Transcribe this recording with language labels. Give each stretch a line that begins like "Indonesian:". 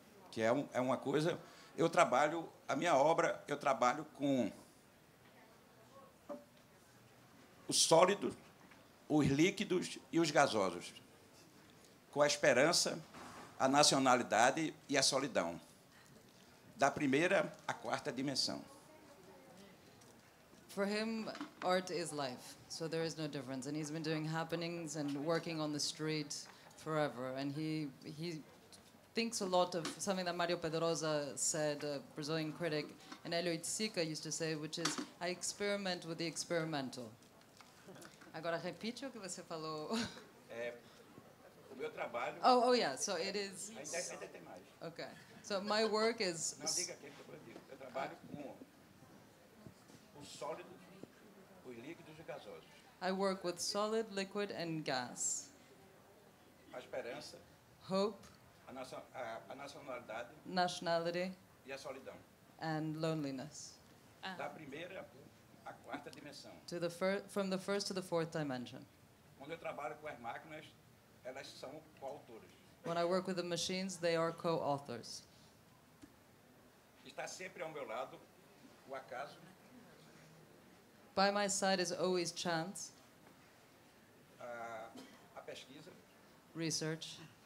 Portuguese: Que é uma coisa. Eu trabalho, a minha obra, eu trabalho com os sólidos, os líquidos e os gasosos. Com a esperança, a nacionalidade e a solidão. Da primeira à quarta dimensão.
English: For him, art is life, so there is no difference. And he's been doing happenings and working on the street forever. And he thinks a lot of something that Mario Pedrosa said, a Brazilian critic, and Hélio Itzica used to say, which is, I experiment with the experimental.
Portuguese: Agora, repite o que você falou. O meu trabalho...
English: Oh, yeah, so it is...
Portuguese: Ainda tem mais.
English: Okay, so my work is...
Portuguese: Não diga quem que eu trabalho com... Sólidos, os líquidos e gasosos.
English: I work with solid, liquid and gas.
Portuguese: A esperança.
English: Hope.
Portuguese: A nacionalidade.
English: Nationality.
Portuguese: E a solidão.
English: And loneliness.
Portuguese: Da primeira à quarta dimensão.
English: To the from the first to the fourth dimension.
Portuguese: Quando eu trabalho com as máquinas, elas são coautores.
English: When I work with the machines, they are co-authors.
Portuguese: Está sempre ao meu lado o acaso.
English: By my side is always chance,
Portuguese: a pesquisa,
English: research,